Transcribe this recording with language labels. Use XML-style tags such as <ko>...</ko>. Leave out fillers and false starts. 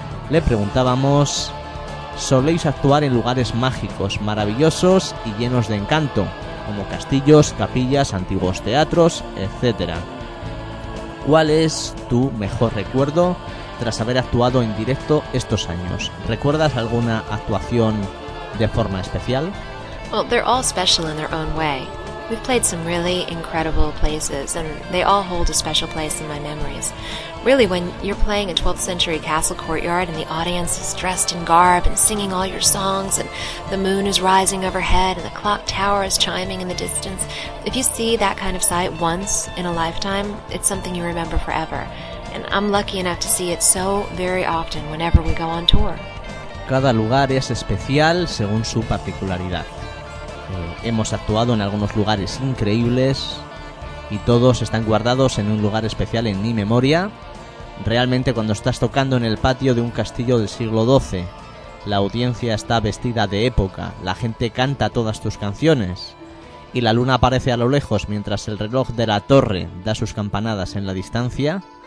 <es>Le preguntábamos: soléis actuar en lugares mágicos, maravillosos y llenos de encanto, como castillos, capillas, antiguos teatros, etcétera. ¿Cuál es tu mejor recuerdo tras haber actuado en directo estos años? ¿Recuerdas alguna actuación de forma especial?</es> <en>Well, they're all special in their own way. We've played some really incredible places, and they all hold a special place in my memories. Really, when you're playing a 12th century castle courtyard and the audience is dressed in garb and singing all your songs and the moon is rising overhead and the clock tower is chiming in the distance, if you see that kind of sight once in a lifetime, it's something you remember forever. And I'm lucky enough to see it so very often whenever we go on tour.</en> <es>Cada lugar es especial según su particularidad. Hemos actuado en algunos lugares increíbles y todos están guardados en un lugar especial en mi memoria. Realmente, cuando estás tocando en el patio de un castillo del siglo XII, la audiencia está vestida de época, la gente canta todas tus canciones y la luna aparece a lo lejos mientras el reloj de la torre da sus campanadas en la distancia.</es>